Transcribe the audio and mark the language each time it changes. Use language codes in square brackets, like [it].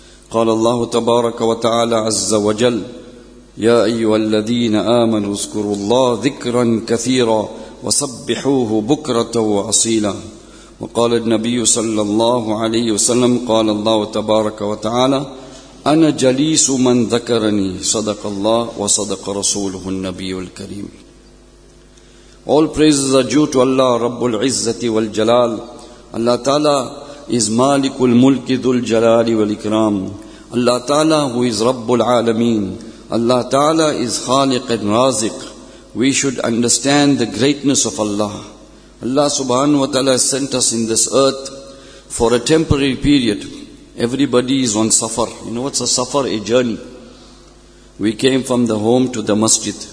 [ar] Qala Allah Tabaraka wa Ta'ala Azza wa Jal, يا أيها الذين آمنوا اذكروا الله ذكرا كثيرا وسبحوه بكرة وأصيلا. وقال النبي صلى الله عليه وسلم قال الله تبارك وتعالى أنا جليس من ذكرني صدق الله وصدق رسوله النبي الكريم. [en] All praises are due to Allah [ar] رب العزة والجلال. Allah تعالى is مالك الملك ذو الجلال والإكرام. [en] Allah تعالى who is [ar] رب العالمين. [en] Allah Ta'ala is Khaliq and Raziq. We should understand the greatness of Allah. Allah Subhanahu wa Ta'ala has sent us in this earth for a temporary period. Everybody is on safar. You know what's a safar? A journey. We came from the home to the masjid.